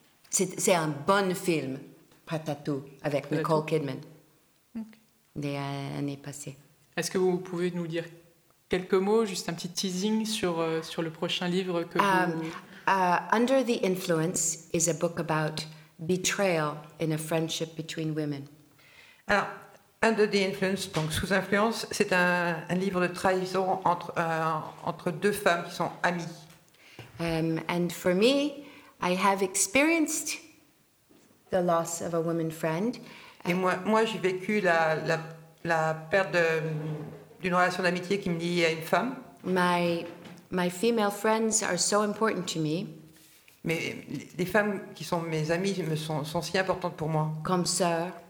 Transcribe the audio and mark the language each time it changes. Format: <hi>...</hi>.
<fr>C'est un bon film, Prête à tout, avec Nicole Kidman, des années passées. Est-ce que vous pouvez nous dire quelques mots, juste un petit teasing sur le prochain livre que vous...</fr> <en>Under the Influence is a book about betrayal in a friendship between women.</en> <fr>Alors, Under the Influence, donc Sous influence, c'est un livre de trahison entre deux femmes qui sont amies.</fr> <en>And for me, I have experienced the loss of a woman friend.</en> <fr>Et moi j'ai vécu la perte d'une relation d'amitié qui me lie à une femme.</fr> <en>My female friends are so important to me.</en> <fr>Mais les femmes qui sont mes amies sont si importantes pour moi. Comme sœur.</fr>